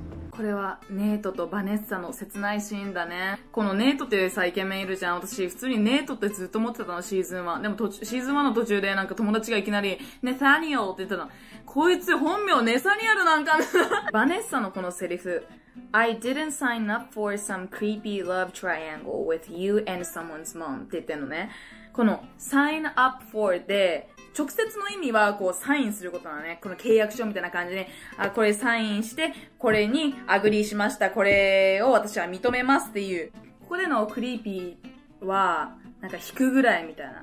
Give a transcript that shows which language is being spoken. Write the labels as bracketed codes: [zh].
[ja] これはネイトとバネッサの切ないシーンだね。このネイトってさ、イケメンいるじゃん。私普通にネイトってずっと思ってたの、シーズン1。でも途中、シーズン1の途中でなんか友達がいきなり、ネサニオって言ってたの。こいつ本名ネサニアルなんか。バネッサのこのセリフ。 [en] I didn't sign up for some creepy love triangle with you and someone's mom [ja] って言ってんのね。この [en] sign up for [ja] で、直接の意味はこうサインすることなのね。この契約書みたいな感じで、あ、これサインして、これにアグリーしました。これを私は認めますっていう。ここでのクリーピーは、なんか引くぐらいみたいな。